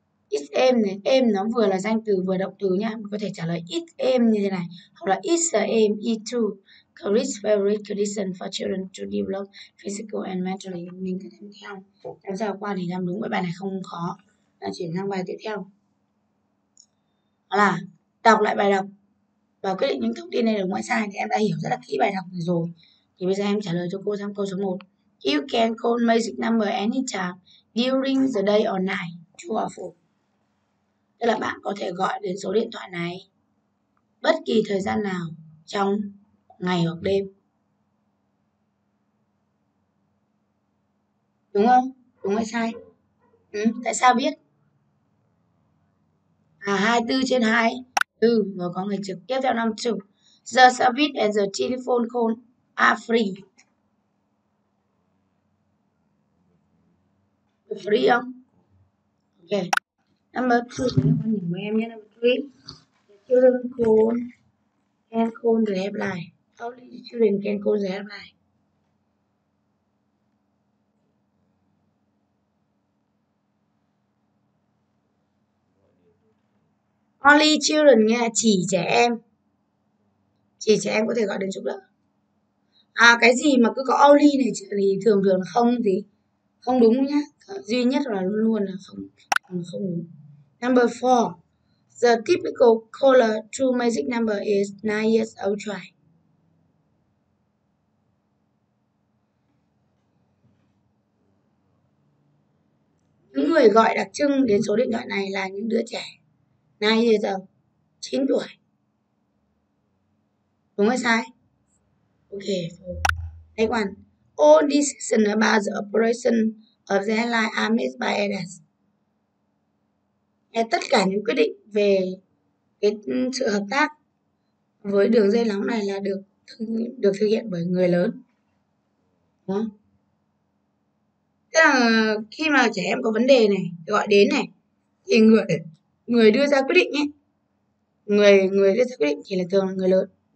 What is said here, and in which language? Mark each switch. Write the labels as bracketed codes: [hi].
[en] Its aim [vi] này, aim nó vừa là danh từ vừa động từ nhá. Mình có thể trả lời its aim như thế này. Hoặc là [en] its the aim it to create favorite condition for children to develop physical and mentally. [vi] Mình cứ làm theo. Làm sao qua thì làm đúng với bài này không khó. Là chuyển sang bài tiếp theo. Là đọc lại bài đọc và quyết định những thông tin này đúng hay sai. Thì em đã hiểu rất là kỹ bài đọc rồi. Thì bây giờ em trả lời cho cô xong câu số 1. [en] You can call magic number anytime during the day or night. True or false? [vi] Tức là bạn có thể gọi đến số điện thoại này bất kỳ thời gian nào trong ngày hoặc đêm. Đúng không? Đúng hay sai? Tại sao biết? À, 24 trên 2. Ừ, rồi có người trực tiếp theo năm chục. [en] The service and the telephone call are free. Free [vi] không? Ok. Number 2, con nhìn mấy em nhé, number 3. [en] The children call and call the helpline. How many children can call the helpline? Only children [vi] nghe chỉ trẻ em có thể gọi đến giúp đỡ. À, cái gì mà cứ có only này thì thường thường không thì không đúng nhá. Duy nhất là luôn luôn là không đúng. [en] Number 4. The typical caller to magic number is 9 years old try. [vi] Những người gọi đặc trưng đến số điện thoại này là những đứa trẻ [en] 9 years old, [vi] 9 tuổi. Đúng hay sai? Ok. Next one. [en] All decisions about the operation of the airline are made by adults. [vi] Tất cả những quyết định về cái sự hợp tác với đường dây nóng này là được thực hiện bởi người lớn. Đúng không? Tức là khi mà trẻ em có vấn đề này gọi đến này thì người người đưa ra quyết định nhé, người người đưa ra quyết định thì là thường là người lớn.